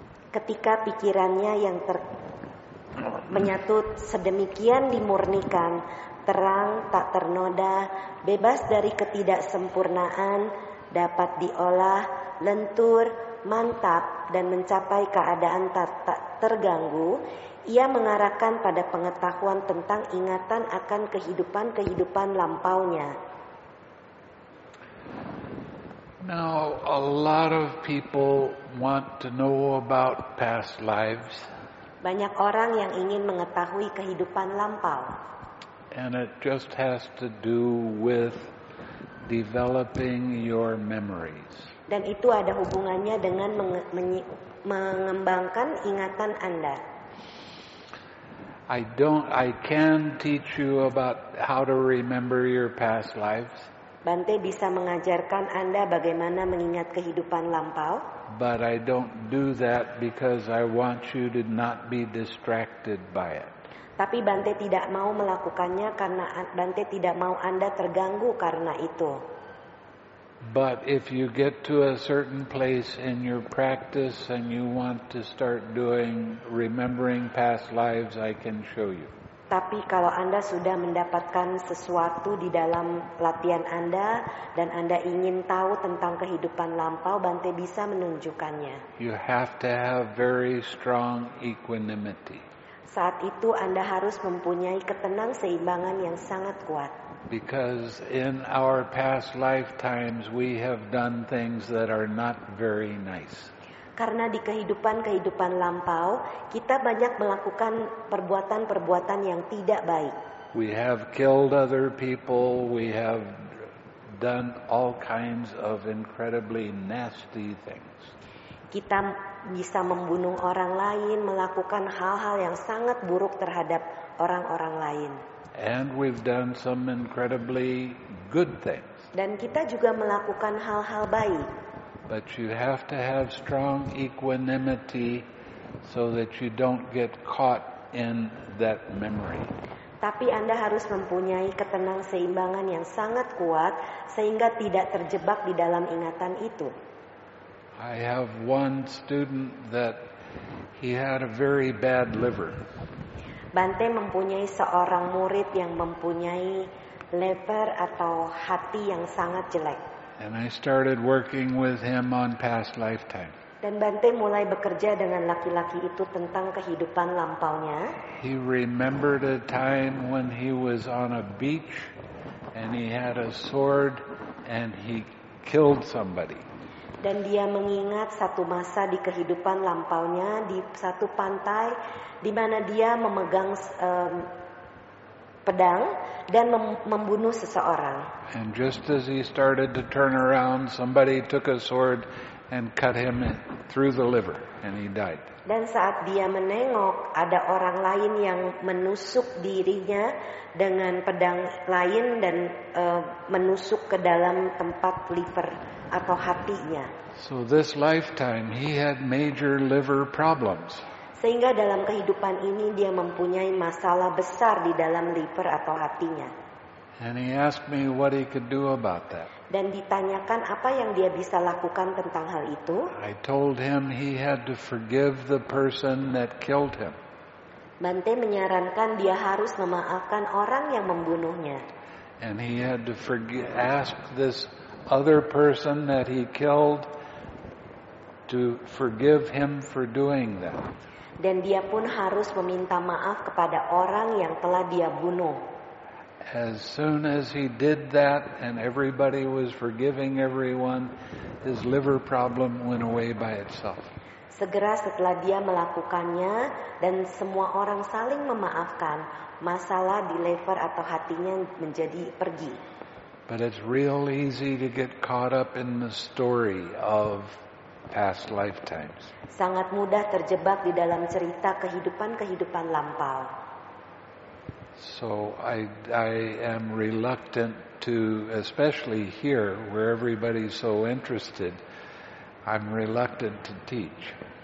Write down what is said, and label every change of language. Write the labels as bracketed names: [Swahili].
[Indonesian] Ketika pikirannya yang menyatu sedemikian dimurnikan, terang, tak ternoda, bebas dari ketidaksempurnaan, dapat diolah, lentur, mantap, dan mencapai keadaan tak terganggu, ia mengarahkan pada pengetahuan tentang ingatan akan kehidupan-kehidupan lampaunya. [English] Now, a lot of people want to know about past lives. [Indonesian] Banyak orang yang ingin mengetahui kehidupan lampau. [English] And it just has to do with developing your memories. [Indonesian] Dan itu ada hubungannya dengan mengembangkan ingatan Anda. [English] I can teach you about how to remember your past lives. [Indonesian] Bante bisa mengajarkan Anda bagaimana mengingat kehidupan lampau. [English] But I don't do that because I want you to not be distracted by it. [Indonesian] Tapi Bante tidak mau melakukannya karena Bante tidak mau Anda terganggu karena itu. [English] But if you get to a certain place in your practice and you want to start doing remembering past lives, I can show you. [Indonesian] Tapi kalau Anda sudah mendapatkan sesuatu di dalam latihan Anda dan Anda ingin tahu tentang kehidupan lampau, Bante bisa menunjukkannya. [English] You have to have very strong equanimity. [Indonesian] Saat itu Anda harus mempunyai ketenang seimbangan yang sangat kuat. [English] Because in our past lifetimes we have done things that are not very nice. [Indonesian] Karena di kehidupan-kehidupan lampau, kita banyak melakukan perbuatan-perbuatan yang tidak baik. [English] We have killed other people, we have done all kinds of incredibly nasty things. [Indonesian] Kita bisa membunuh orang lain, melakukan hal-hal yang sangat buruk terhadap orang-orang lain. [English] And we've done some incredibly good things. [Indonesian] Dan kita juga melakukan hal-hal baik. [English] But you have to have strong equanimity so that you don't get caught in that memory. [Indonesian] Tapi Anda harus mempunyai ketenang seimbangan yang sangat kuat sehingga tidak terjebak di dalam ingatan itu. [English] I have one student that he had a very bad liver. [Indonesian] Bante mempunyai seorang murid yang mempunyai liver atau hati yang sangat jelek. [English] And I started working with him on past lifetime. [Indonesian] Dan Bante mulai bekerja dengan laki-laki itu tentang kehidupan lampaunya. [English] He remembered a time when he was on a beach and he had a sword and he killed somebody. [Indonesian] Dan dia mengingat satu masa di kehidupan lampaunya di satu pantai di mana dia memegang pedang dan membunuh seseorang. [English] And just as he started to turn around, somebody took a sword and cut him through the liver and he died. [Indonesian] Dan saat dia menengok, ada orang lain yang menusuk dirinya dengan pedang lain dan menusuk ke dalam tempat liver atau hatinya. [English] So this lifetime he had major liver problems. [Indonesian] Sehingga dalam kehidupan ini dia mempunyai masalah besar di dalam liver atau hatinya. [English] And he asked me what he could do about that. [Indonesian] Dan ditanyakan apa yang dia bisa lakukan tentang hal itu. [English] I told him he had to forgive the person that killed him. [Indonesian] Bante menyarankan dia harus memaafkan orang yang membunuhnya. [English] And he had to ask this other person that he killed to forgive him for doing that. [Indonesian] Dan dia pun harus meminta maaf kepada orang yang telah dia bunuh. [English] As soon as he did that and everybody was forgiving everyone, his liver problem went away by itself. [Indonesian] Segera setelah dia melakukannya dan semua orang saling memaafkan, masalah di liver atau hatinya menjadi pergi. [English] But it's real easy to get caught up in the story of past lifetimes. [Indonesian] Sangat mudah terjebak di dalam cerita kehidupan-kehidupan lampau. [English] So I am reluctant to, especially here where everybody's so interested, I'm reluctant to teach.